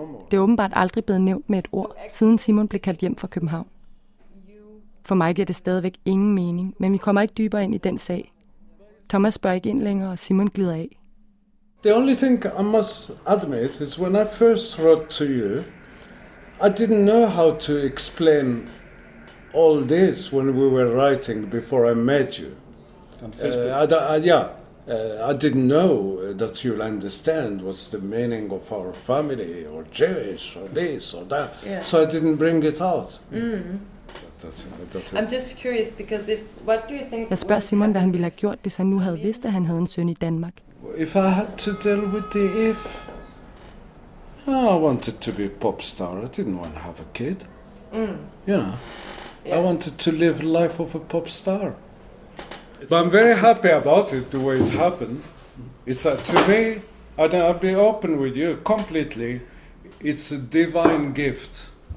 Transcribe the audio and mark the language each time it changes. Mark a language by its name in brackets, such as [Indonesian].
[Danish] Det er åbenbart aldrig blevet nævnt med et ord, siden Simon blev kaldt hjem fra København. For mig giver det stadigvæk ingen mening, men vi kommer ikke dybere ind i den sag. Thomas spørger ikke ind længere, og Simon glider af. [English] The only thing I must admit is when I first wrote to you, I didn't know how to explain all this when we were writing before I met you. On Facebook? I didn't know that you'll understand what's the meaning of our family, or Jewish, or this, or that. Yeah. So I didn't bring it out. I'm just curious, because if, what do you think... [Danish] Jeg spørger Simon, hvad han ville have gjort, hvis han nu havde vidst, at han havde en søn i Danmark. [English] If I had to deal with the if... I wanted to be a pop star. I didn't want to have a kid. Mm. You know, yeah. I wanted to live life of a pop star. But I'm very happy about it, the way it happened. It's to me, and I'll be open with you completely, it's a divine gift.